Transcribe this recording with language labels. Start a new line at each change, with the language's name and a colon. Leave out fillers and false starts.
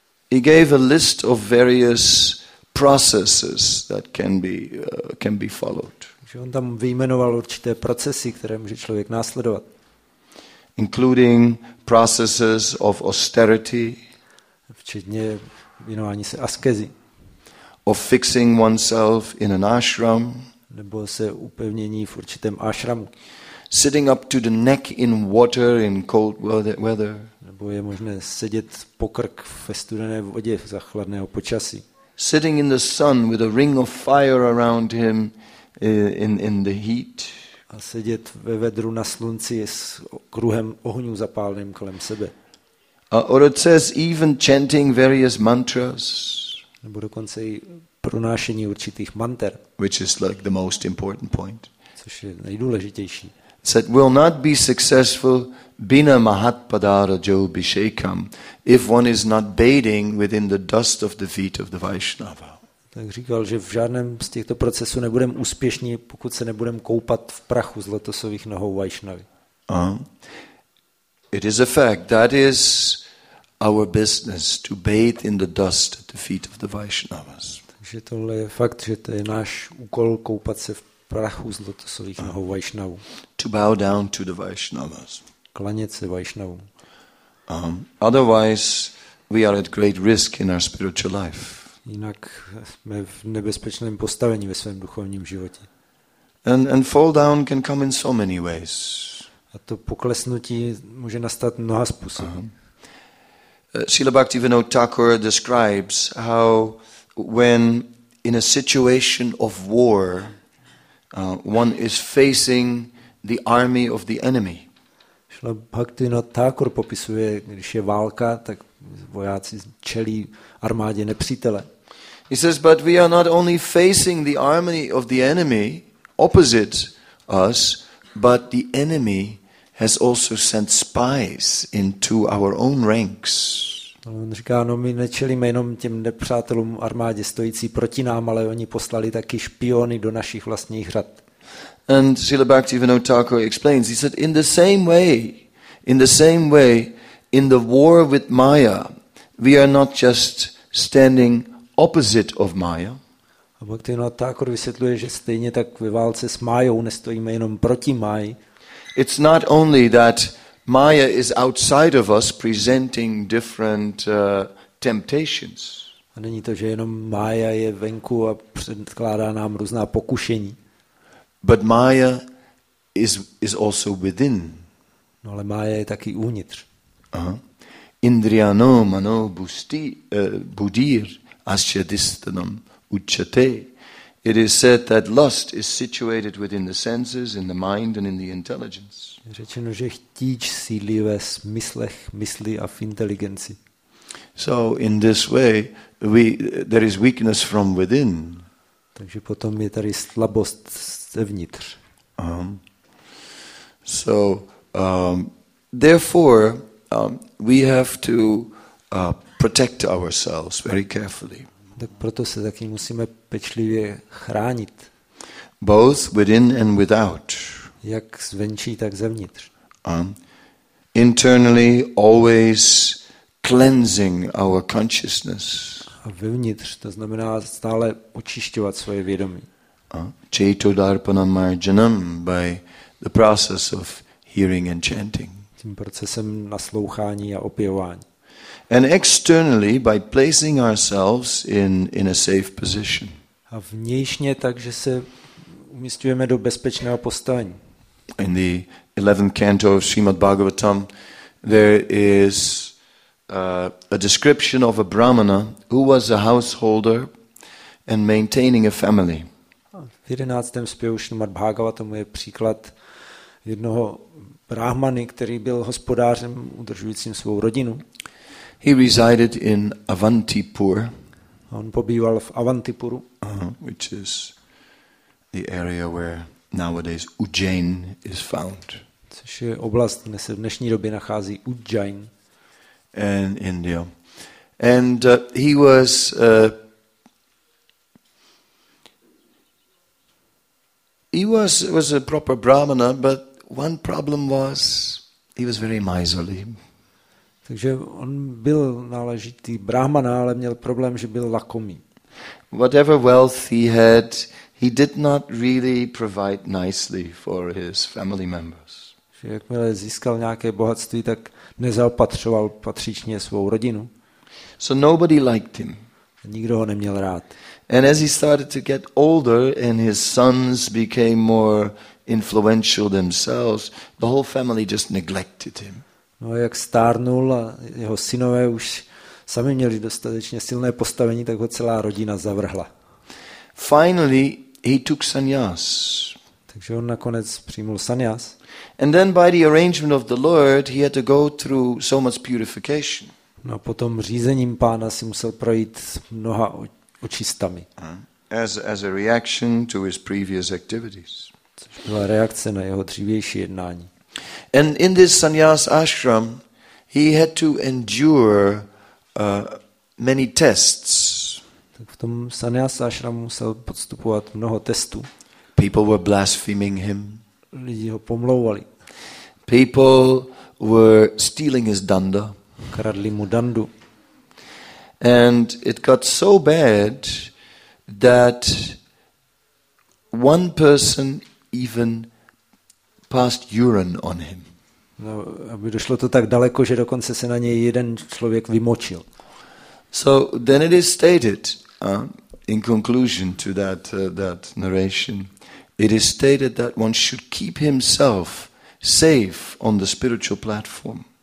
English: He gave a list of various processes that can be followed.
Czech: Že on tam vyjmenoval určité procesy, které může člověk následovat.
English: Including processes of austerity.
Czech: Včetně věnování se askezi.
English: Of fixing oneself in an ashram.
Czech: Nebo se upevnění v určitém ashramu.
English: Sitting up to the neck in water in cold weather.
Czech: Nebo je možné sedět po krk ve studené vodě za chladného počasí.
English: Sitting in the sun with a ring of fire around him in the heat.
Czech: A sedět ve vedru na slunci s kruhem ohňů zapáleným kolem sebe.
English: Or it says even chanting various mantras.
Czech: Nebo dokonce i pronášení určitých mantr.
English: Which is like the most important point.
Czech: Což je nejdůležitější.
English: Said will not be successful
Sanskrit: bina mahatpadara jobishekam
English: if one is not bathing within the dust of the feet of the Vaishnava.
Czech: Tak říkal, že v žádném z těchto procesů nebudeme úspěšní, pokud se nebudeme koupat v prachu z lotosových nohou Vaishnavy.
English: It is a fact that is our business to bathe in the dust at the feet of the Vaishnavas.
Czech: Takže tohle je fakt, že to je náš úkol koupat se v prachu z lotosových nohou Vaishnavu.
English: To bow down to the Vaishnavas.
Czech: Klanět se Vaishnavu.
English: Otherwise we are at great risk in our spiritual life.
Czech: Jinak jsme v nebezpečném postavení ve svém duchovním životě.
English: And fall down can come in so many ways.
Czech: A to poklesnutí může nastat mnoha způsoby.
English: Srila Bhaktivinoda Thakur describes how when in a situation of war one is facing the army of the enemy.
Czech: Srila Bhaktivinoda Thakur popisuje, když je válka, tak vojáci čelí armádě nepřítele.
English: He says, but we are not only facing the army of the enemy opposite us, but the enemy has also sent spies into our own ranks.
Czech: On říká, no my nečelíme jenom těm nepřátelům armádě stojící proti nám, ale oni poslali taky špiony do našich vlastních řad.
English: And Srila Bhaktivinoda Thakur explains, he said, in the same way, in the war with Maya, we are not just standing opposite of Maya.
Czech: A Bhaktivinoda Thakur vysvětluje, že stejně tak ve válce s Mayou nestojíme jenom proti Mayi.
English: It's not only that Maya is outside of us presenting different temptations.
Czech: A není to, že jenom Maya je venku a předkládá nám různá pokušení.
English: But Maya is also within.
Czech: No ale Maya je taky uvnitř.
Sanskrit: Indriyano mano busti budir asya distanam ucchate.
English: It is said that lust is situated within the senses, in the mind and in the intelligence.
Czech: Řečeno, že chtíč sídlí ve smyslech, mysli a v inteligenci.
English: So in this way there is weakness from within.
Czech: Takže potom je tady slabost zevnitř.
English: So therefore we have to protect ourselves very carefully.
Czech: Tak proto se taky musíme pečlivě chránit.
English: Both within and without.
Czech: Jak zvenčí, tak zevnitř.
English: Internally always cleansing our consciousness.
Czech: A vevnitř, to znamená stále očišťovat svoje vědomí.
Sanskrit: Chaito darpanam marjanam
English: by the process of hearing and chanting.
Czech: Tím procesem naslouchání a opěvování.
English: And externally by placing ourselves in a safe position.
Czech: A vnějšně tak, že se umisťujeme do bezpečného postavení.
English: In the 11th canto of Srimad Bhagavatam there is a description of a brahmana who was a householder and maintaining a family.
Czech: V 11. zpěvu Srimad Bhagavatam je příklad jednoho brahmany, který byl hospodářem udržujícím svou rodinu.
English: He resided in Avantipur.
Czech: On pobýval v Avantipuru,
English: which is the area where nowadays Ujjain is found.
Czech: Což je oblast, kde se v dnešní době nachází Ujjain.
English: And India. And he was he was a proper brahmana, but one problem was he was very miserly.
Czech: Takže on byl náležitý brahmana, ale měl problém, že byl lakomý.
English: Whatever wealth he had, he did not really provide nicely for his family members.
Czech: Že jakmile získal nějaké bohatství, tak nezaopatřoval patřičně svou rodinu.
English: So nobody liked him.
Czech: Nikdo ho neměl rád.
English: And as he started to get older and his sons became more influential themselves, the whole family just neglected him.
Czech: No, jak stárnul a jeho synové už sami měli dostatečně silné postavení, tak ho celá rodina zavrhla.
English: Finally, he took sannyas.
Czech: Takže on nakonec přijmul sannyas.
English: And then by the arrangement of the Lord, he had to go through so much purification.
Czech: No, potom řízením pána si musel projít mnoha očistami.
English: As a reaction to his previous activities.
Czech: Což byla reakce na jeho dřívější jednání.
English: And in this sannyas ashram, he had to endure many tests.
Czech: Tak v tom sannyas ashramu musel podstupovat mnoho testů.
English: People were blaspheming him.
Czech: Lidi ho pomlouvali.
English: People were stealing his danda.
Czech: Kradli mu dandu.
English: And it got so bad that one person even passed urine on him.
Czech: No, aby došlo to tak daleko, že dokonce se na něj jeden člověk vymočil.
English: So then it is stated in conclusion to that that narration, it is stated that one should keep himself safe on the spiritual platform.